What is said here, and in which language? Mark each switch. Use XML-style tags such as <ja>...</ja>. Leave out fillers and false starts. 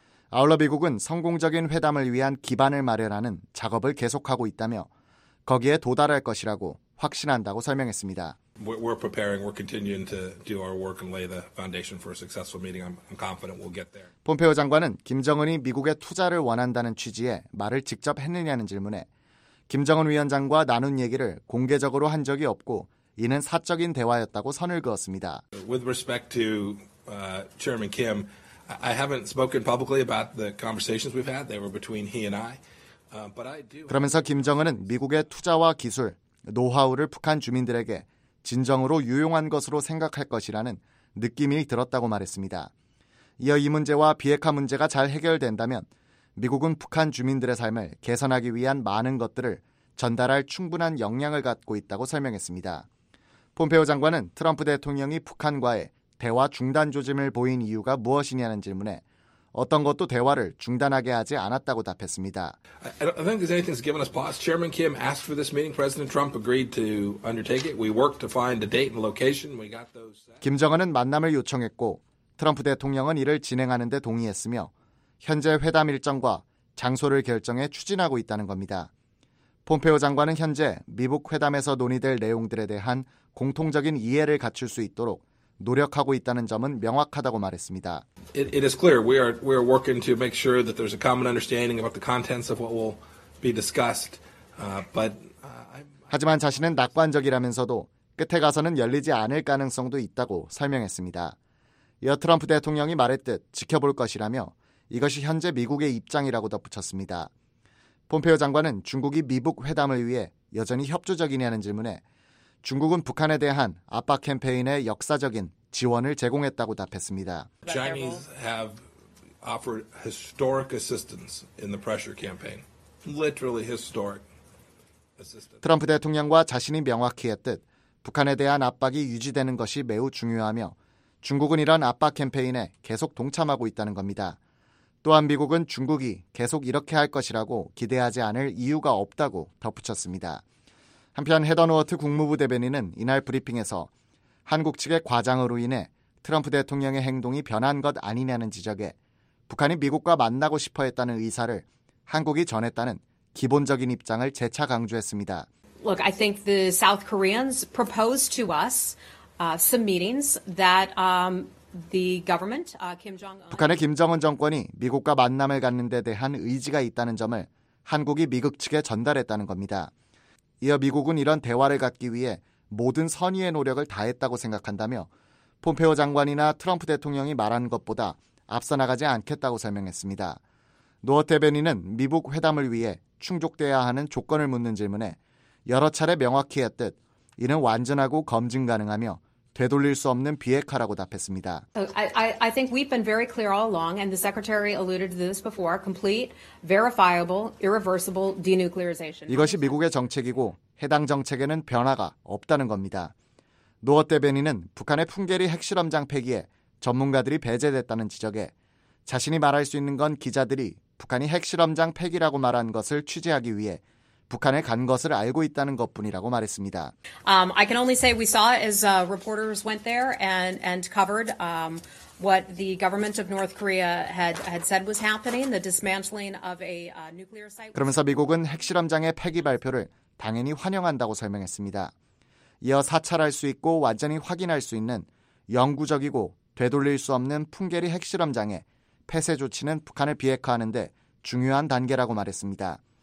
<ko>아울러 미국은 성공적인 회담을 위한 기반을 마련하는 작업을 계속하고 있다며 거기에 도달할 것이라고 확신한다고 설명했습니다.</ko> <en>We're preparing. We're continuing to do our work and lay the foundation for a successful meeting. I'm confident we'll get there.</en> <ko>폼페오 장관은 김정은이 미국의 투자를 원한다는 취지의 말을 직접 했느냐는 질문에 김정은 위원장과 나눈 얘기를 공개적으로 한 적이 없고 이는 사적인 대화였다고 선을 그었습니다.</ko> <en>With respect to Chairman Kim, I haven't spoken publicly about the conversations we've had. They were between he and I. But I do.</en> <ko>그러면서 김정은은 미국의 투자와 기술, 노하우를 북한 주민들에게 진정으로 유용한 것으로 생각할 것이라는 느낌이 들었다고 말했습니다. 이어 이 문제와 비핵화 문제가 잘 해결된다면 미국은 북한 주민들의 삶을 개선하기 위한 많은 것들을 전달할 충분한 역량을 갖고 있다고 설명했습니다. 폼페오 장관은 트럼프 대통령이 북한과의 대화 중단 조짐을 보인 이유가 무엇이냐는 질문에 어떤 것도 대화를 중단하게 하지 않았다고 답했습니다.</ko> <en>I don't think there's anything that's given us pause. Chairman Kim asked for this meeting. President Trump agreed to undertake it. We worked to find a date and location. We got those.</en> <ko>김정은은 만남을 요청했고 트럼프 대통령은 이를 진행하는 데 동의했으며 현재 회담 일정과 장소를 결정해 추진하고 있다는 겁니다. 폼페오 장관은 현재 미북 회담에서 논의될 내용들에 대한 공통적인 이해를 갖출 수 있도록 노력하고 있다는 점은 명확하다고 말했습니다.</ko> <en>It is clear we are working to make sure that there's a common understanding about the contents of what will be discussed. But</en> <ko>하지만 자신은 낙관적이라면서도 끝에 가서는 열리지 않을 가능성도 있다고 설명했습니다. 이어 트럼프 대통령이 말했듯 지켜볼 것이라며 이것이 현재 미국의 입장이라고 덧붙였습니다. 폼페이오 장관은 중국이 미북 회담을 위해 여전히 협조적이냐는 질문에 중국은 북한에 대한 압박 캠페인의 역사적인 지원을 제공했다고 답했습니다.</ko> <en>Chinese have offered historic assistance in the pressure campaign. Literally historic.</en> <ko>트럼프 대통령과 자신이 명확히 했듯 북한에 대한 압박이 유지되는 것이 매우 중요하며 중국은 이런 압박 캠페인에 계속 동참하고 있다는 겁니다. 또한 미국은 중국이 계속 이렇게 할 것이라고 기대하지 않을 이유가 없다고 덧붙였습니다. 한편 헤더노어트 국무부 대변인은 이날 브리핑에서 한국 측의 과장으로 인해 트럼프 대통령의 행동이 변한 것 아니냐는 지적에 북한이 미국과 만나고 싶어 했다는 의사를 한국이 전했다는 기본적인 입장을 재차 강조했습니다.</ko> <en>Look, I think the South Koreans proposed to us some meetings that the government Kim Jong-un</en> <ko>북한의 김정은 정권이 미국과 만남을 갖는 데 대한 의지가 있다는 점을 한국이 미국 측에 전달했다는 겁니다. 이어 미국은 이런 대화를 갖기 위해 모든 선의의 노력을 다했다고 생각한다며 폼페이오 장관이나 트럼프 대통령이 말한 것보다 앞서 나가지 않겠다고 설명했습니다. 노어 대변인은 미북 회담을 위해 충족돼야 하는 조건을 묻는 질문에 여러 차례 명확히 했듯 이는 완전하고 검증 가능하며 되돌릴 수 없는 비핵화라고 답했습니다.</ko> <en>I think we've been very clear all along, and the secretary alluded to this before. Complete, verifiable, irreversible denuclearization.</en> <ko>이것이 미국의 정책이고 해당 정책에는 변화가 없다는 겁니다. 노어 대변인은 북한의 풍계리 핵실험장 폐기에 전문가들이 배제됐다는 지적에 자신이 말할 수 있는 건 기자들이 북한이 핵실험장 폐기라고 말한 것을 취재하기 위해 북한에 간 것을 알고 있다는 것뿐이라고 말했습니다.</ko> <en>I can only say we saw as reporters went there and covered what the government of North Korea had said was happening, the dismantling of a nuclear site.</en> <ko>그러면서 미국은 핵실험장의 폐기 발표를 당연히 환영한다고 설명했습니다. 이어 사찰할 수 있고 완전히 확인할 수 있는 영구적이고 되돌릴 수 없는 풍계리 핵실험장의 폐쇄 조치는 북한을 비핵화하는 데 중요한 단계라고 말했습니다.</ko>